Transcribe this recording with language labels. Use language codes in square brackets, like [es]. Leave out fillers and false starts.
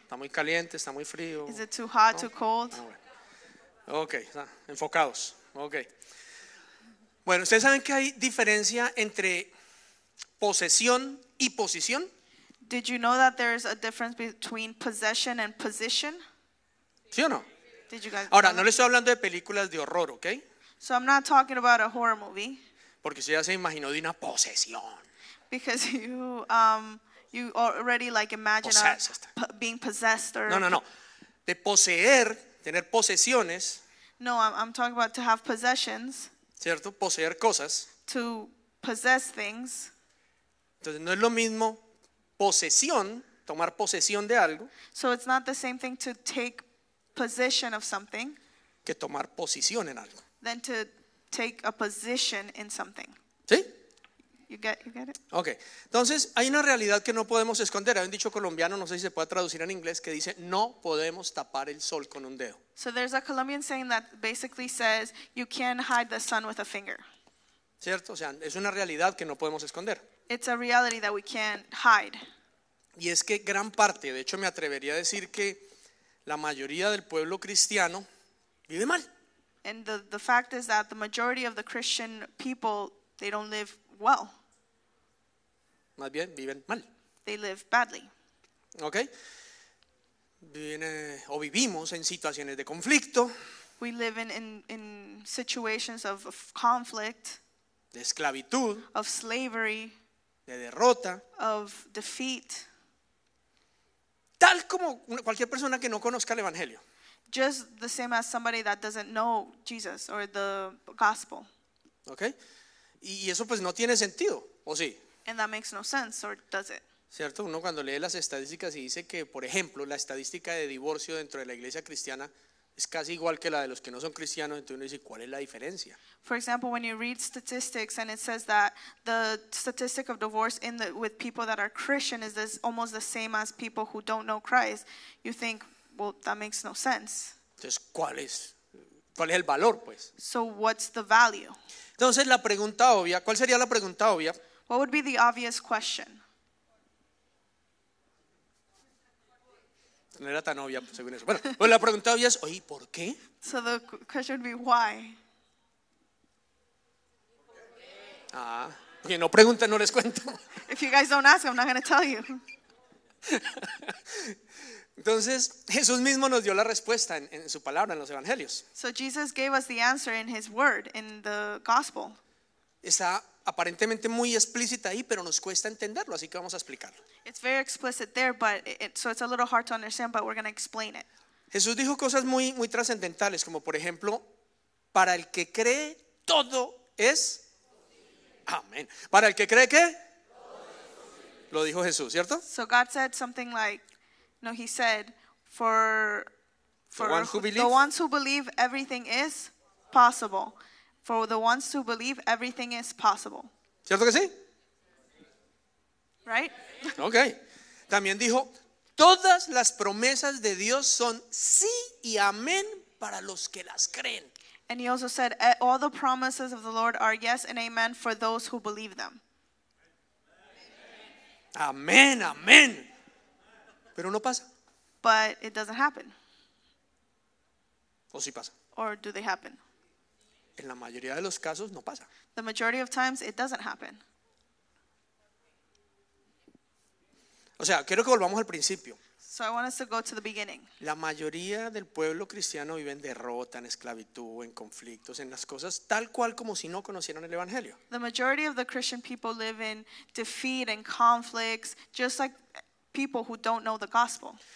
[es] Está muy caliente, está muy frío. [en] Is it too hot, too cold? [es] No, bueno. Ok, enfocados. Ok. Bueno, ustedes saben que hay diferencia entre posesión y posición. [en] Did you know that there's a difference between possession and position? [es] ¿Sí o no? [en] Did you guys? [es] Ahora, no le estoy hablando de películas de horror, ¿okay? [en] So I'm not talking about a horror movie. [es] Porque usted ya se imaginó de una posesión. [en] Because you already like imagine being possessed or [es] No. De poseer, tener posesiones. [en] No, I'm talking about to have possessions. [es] ¿Cierto? Poseer cosas. [en] To possess things. [es] Entonces no es lo mismo posesión, tomar posesión de algo. [en] So it's not the same thing to take possession of something. [es] Que tomar posición en algo. [en] Than to take a position in something. [es] ¿Sí? [en] You get it? Okay. [es] Entonces hay una realidad que no podemos esconder. Hay un dicho colombiano, no sé si se puede traducir en inglés, que dice no podemos tapar el sol con un dedo. [en] So there's a Colombian saying that basically says you can't hide the sun with a finger. [es] ¿Cierto? O sea, es una realidad que no podemos esconder. [en] It's a reality that we can't hide. [es] Y es que gran parte, de hecho me atrevería a decir que la mayoría del pueblo cristiano vive mal. [en] And the fact is that the majority of the Christian people, they don't live well. [es] Más bien, viven mal. [en] They live badly. Okay. [es] O vivimos en situaciones de conflicto. [en] We live in situations of conflict. [es] De esclavitud. [en] Of slavery. [es] De derrota. [en] Of defeat. [es] Tal como cualquier persona que no conozca el evangelio. [en] Just the same as somebody that doesn't know Jesus or the gospel. Okay. [es] Y eso pues no tiene sentido, ¿o sí? [en] And that makes no sense, or does it? [es] Cierto, uno cuando lee las estadísticas y dice que, por ejemplo, la estadística de divorcio dentro de la iglesia cristiana es casi igual que la de los que no son cristianos, entonces uno dice, ¿cuál es la diferencia? [en] For example, when you read statistics and it says that the statistic of divorce with people that are Christian is this almost the same as people who don't know Christ, you think, well, that makes no sense. [es] Entonces, ¿cuál es el valor, pues? [en] So what's the value? [es] Entonces, la pregunta obvia, ¿cuál sería la pregunta obvia? [en] What would be the obvious question? [es] No era tan obvia, según eso. Bueno, pues la pregunta obvia es, oye, ¿por qué? [en] So the question would be, why? [es] Ah, porque no preguntan, no les cuento. [en] If you guys don't ask, I'm not going to tell you. [es] Entonces, Jesús mismo nos dio la respuesta en su palabra, en los evangelios. [en] So Jesus gave us the answer in his word, in the gospel. [es] Está aparentemente muy explícita ahí, pero nos cuesta entenderlo, así que vamos a explicarlo. [en] It's very explicit there, but so it's a little hard to understand, but we're going to explain it. [es] Jesús dijo cosas muy muy trascendentales, como por ejemplo, para el que cree todo es posible. Amén. Para el que cree qué? Lo dijo Jesús, ¿cierto? [en] So God said something like, no, he said for the ones who believe everything is possible. For the ones who believe, everything is possible. [es] ¿Cierto que sí? [en] Right? Okay. [es] También dijo, todas las promesas de Dios son sí y amén para los que las creen. [en] And he also said, all the promises of the Lord are yes and amen for those who believe them. [es] Amén, amén. Pero no pasa. [en] But it doesn't happen. [es] ¿O sí pasa? [en] Or do they happen? [es] En la mayoría de los casos no pasa. [en] The majority of times it doesn't happen. [es] O sea, quiero que volvamos al principio. [en] So I want us to go to the beginning. [es] La mayoría del pueblo cristiano vive en derrota, en esclavitud, en conflictos, en las cosas tal cual como si no conocieran el evangelio. [en] The majority of the Christian people live in defeat and conflicts, just like people who don't know the gospel.